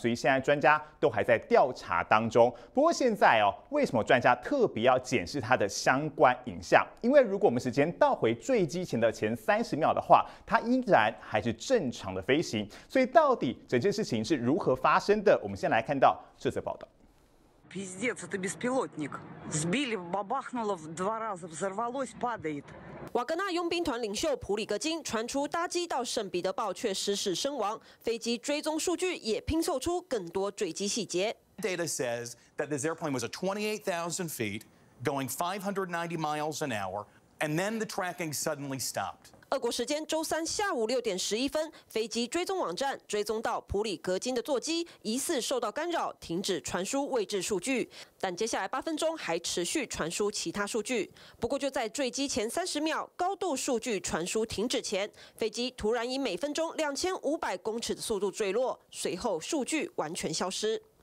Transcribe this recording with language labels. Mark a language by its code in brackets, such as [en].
[zh] 所以现在专家都还在调查当中。不过现在哦，为什么专家特别要检视它的相关影像？因为如果我们时间倒回坠机前的前30秒的话，它依然还是正常的飞行。所以到底整件事情是如何发生的？我们先来看到这则报道。 [ru] Пиздец, это беспилотник. Сбили, бабахнуло два раза, взорвалось, падает. [zh] 瓦格纳佣兵团领袖普里戈金传出搭机到圣彼得堡却失事身亡，飞机追踪数据也拼凑出更多坠机细节。 [en] Data says that this airplane was at 28,000 feet, going 590 miles an hour, and then the tracking suddenly stopped. [zh] 俄国时间周三下午6:11，飞机追踪网站追踪到普里戈金的座机疑似受到干扰，停止传输位置数据。但接下来8分钟还持续传输其他数据。不过就在坠机前30秒，高度数据传输停止前，飞机突然以每分钟2500公尺的速度坠落，随后数据完全消失。